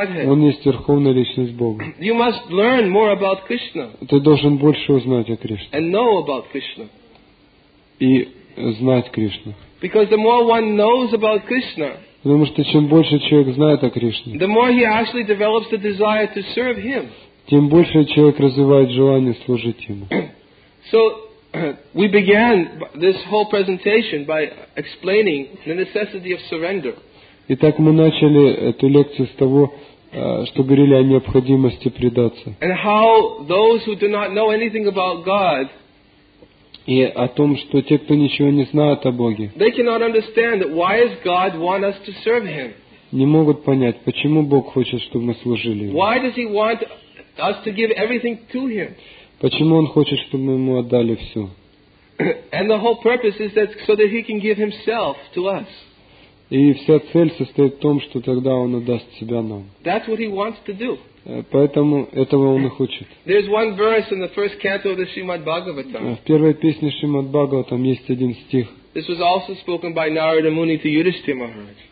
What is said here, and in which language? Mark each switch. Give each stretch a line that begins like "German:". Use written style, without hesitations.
Russian: Он есть Верховная Личность Бога. Ты должен больше узнать о Кришне. И знать Кришну.
English: Because the more one knows about Krishna,
Russian: потому что чем больше человек знает о Кришне,
English: the more he actually develops the desire to serve him,
Russian: тем больше человек развивает желание служить ему.
English: So we began this whole presentation by explaining the necessity of surrender.
Russian: Итак, мы начали эту лекцию с того, что говорили о необходимости предаться.
English: And how those who do not know anything about God,
Russian: и о том, что те, кто ничего не знают о Боге,
English: they cannot understand why does God want us to serve Him?
Russian: Не могут понять, почему Бог хочет, чтобы мы служили Ему.
English: Why does He want us to give everything to Him?
Russian: Почему Он хочет, чтобы мы Ему отдали все?
English: And the whole purpose is that so that He can give Himself to us.
Russian: И вся цель состоит в том, что тогда Он отдаст Себя нам.
English: That's what He wants to do.
Russian: Поэтому этого он и хочет.
English: There's one verse in the first canto of the Srimad Bhagavatam.
Russian: В первой песне Шримад Бхагаватам есть один стих.
English: This was also spoken by Narada Muni to Yudhishthira Maharaj.